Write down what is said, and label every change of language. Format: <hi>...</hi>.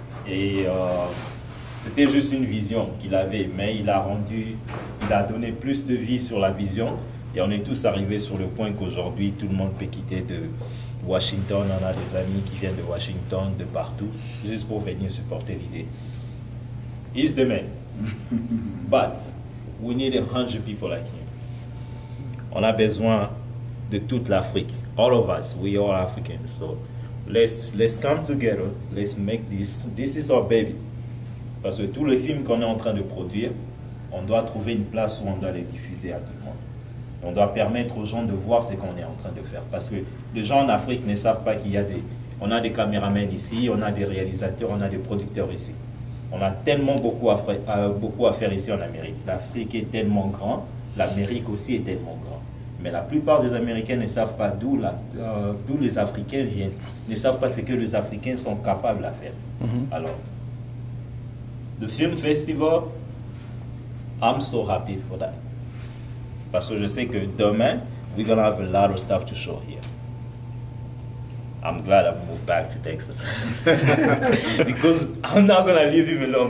<fr>Et c'était juste une vision qu'il avait, mais il a donné plus de vie sur la vision, et on est tous arrivés sur le point qu'aujourd'hui tout le monde peut quitter de Washington. On a des amis qui viennent de Washington, de partout, juste pour venir supporter l'idée.</fr> <en>He's the man, but we need 100 people like him.</en> <fr>On a besoin de toute l'Afrique.</fr> <en>All of us, we all Africans. So let's come together. Let's make this. This is our baby.</en> <fr>Parce que tous les films qu'on est en train de produire, on doit trouver une place où on doit les diffuser à tout le monde. On doit permettre aux gens de voir ce qu'on est en train de faire. Parce que les gens en Afrique ne savent pas qu'il y a des... On a des caméramens ici, on a des réalisateurs, on a des producteurs ici. On a tellement beaucoup à faire ici en Amérique. L'Afrique est tellement grande, l'Amérique aussi est tellement grande. Mais la plupart des Américains ne savent pas d'où les Africains viennent, ne savent pas ce que les Africains sont capables à faire. Mm-hmm. Alors, le film festival,</fr> <en>I'm so happy for that.</en> <fr>Parce que je sais que demain,</fr> <en>we're going to have a lot of stuff to show here. I'm glad I moved back to Texas. Because I'm not going to leave him alone.</en>